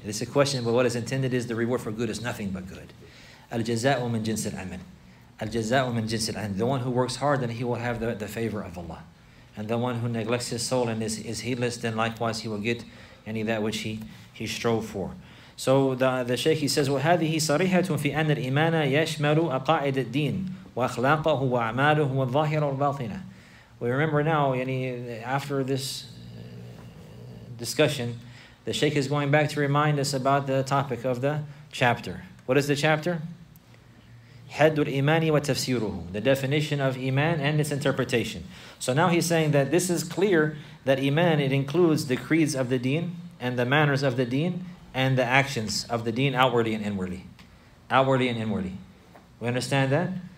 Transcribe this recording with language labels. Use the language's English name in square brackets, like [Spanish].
[English] It's a question, but what is intended is the reward for good is nothing but good. [Arabic] الْجَزَاءُ مِنْ جِنْسِ الْأَمَنِ. الْجَزَاءُ مِنْ جِنْسِ الْأَمَنِ. [English] The one who works hard, then he will have the favor of Allah. And the one who neglects his soul and is heedless, then likewise he will get any of that which he strove for. So the Shaykh, he says, [Arabic] وَهَذِهِ صَرِيحَةٌ فِي أَنَّ الْإِيمَانَ يَشْمَلُ أَقَاعِدَ الدِّينِ وَأَخْلَاقَهُ وَأَعْمَالُهُ وَالظَّاهِرَ وَالْبَاطِنَةِ. [English] We remember now, yani after this discussion, the Shaykh is going back to remind us about the topic of the chapter. What is the chapter? [Arabic] حَدُّ الْإِيمَانِ وَتَفْسِيرُهُ. [English] The definition of Iman and its interpretation. So now he's saying that this is clear that Iman, it includes the creeds of the deen and the manners of the deen and the actions of the deen outwardly and inwardly. Outwardly and inwardly. We understand that?